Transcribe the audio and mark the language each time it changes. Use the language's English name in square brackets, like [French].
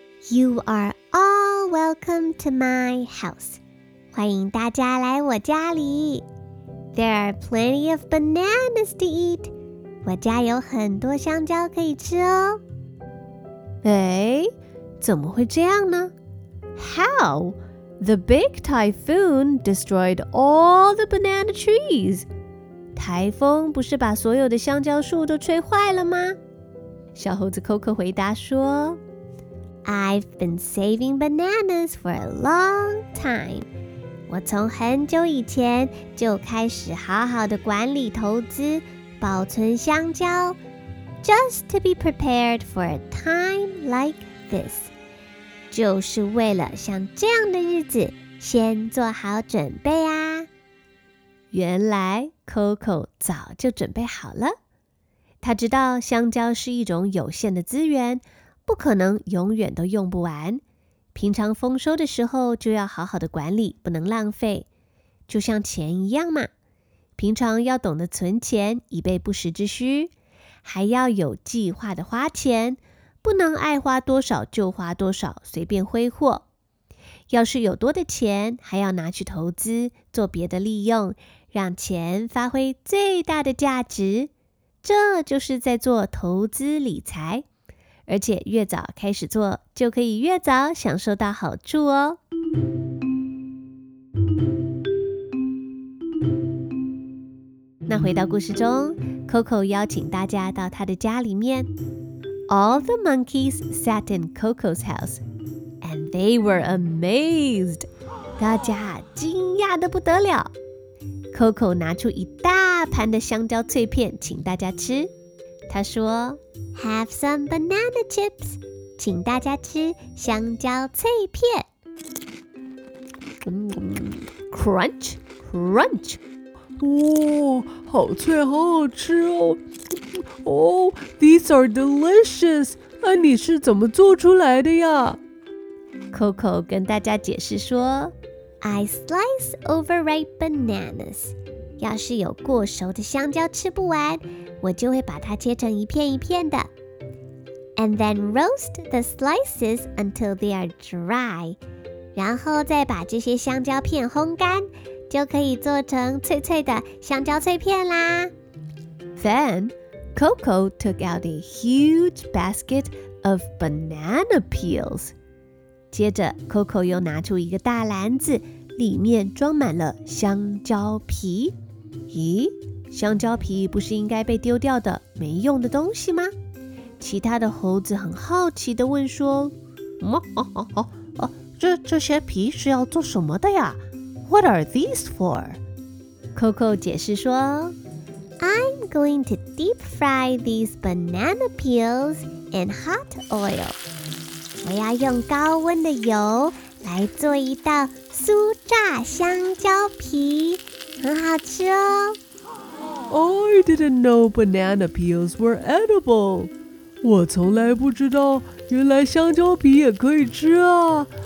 [English] ：“You are all welcome to my house. [Chinese] 欢迎大家来我家里。 [English] There are plenty of bananas to eat. [Chinese] 我家有很多香蕉可以吃哦。” 哎，怎么会这样呢 ？ [English] How? The big typhoon destroyed all the banana trees. [Chinese] 台风不是把所有的香蕉树都吹坏了吗？小猴子 Coco 回答说 [English] ：“I've been saving bananas for a long time. [Chinese] 我从很久以前就开始好好的管理投资，保存香蕉。” [English] Just to be prepared for a time like this. [Chinese] 就是为了像这样的日子先做好准备啊。原来 Coco 早就准备好了。他知道香蕉是一种有限的资源，不可能永远都用不完。平常丰收的时候就要好好的管理，不能浪费。就像钱一样嘛，平常要懂得存钱以备不时之需。还要有计划的花钱，不能爱花多少就花多少，随便挥霍。要是有多的钱，还要拿去投资，做别的利用，让钱发挥最大的价值。这就是在做投资理财，而且越早开始做，就可以越早享受到好处哦。那回到故事中，Coco 邀请大家到他的家里面。 [English] All the monkeys sat in Coco's house, and they were amazed. [Chinese] 大家惊讶得不得了。Coco 拿出一大盘的香蕉脆片，请大家吃。他说 [English] ，Have some banana chips. [Chinese] 请大家吃香蕉脆片。 [English] Crunch, crunch. [Chinese] 哦，好脆，好好吃哦！ [English] 哦 ，these are delicious。 [Chinese] 那你是怎么做出来的呀？Coco 跟大家解释说 [English] ：“I slice overripe bananas。 [Chinese] 要是有过熟的香蕉吃不完，我就会把它切成一片一片的 [English] ，and then roast the slices until they are dry。 [Chinese] 然后再把这些香蕉片烘干。” 就可以做成脆脆的香蕉脆片啦。 [English] Then, Coco took out a huge basket of banana peels. [Chinese] 接着 ，Coco 又拿出一个大篮子，里面装满了香蕉皮。咦，香蕉皮不是应该被丢掉的没用的东西吗？其他的猴子很好奇地问说：“ 这些皮是要做什么的呀？” [English] What are these for? [Chinese] Coco 解释说 [English] I'm going to deep fry these banana peels in hot oil. [Chinese] 我要用高温的油来做一道酥炸香蕉皮，很好吃哦。 [English] I didn't know banana peels were edible. [Chinese] 我从来不知道原来香蕉皮也可以吃啊。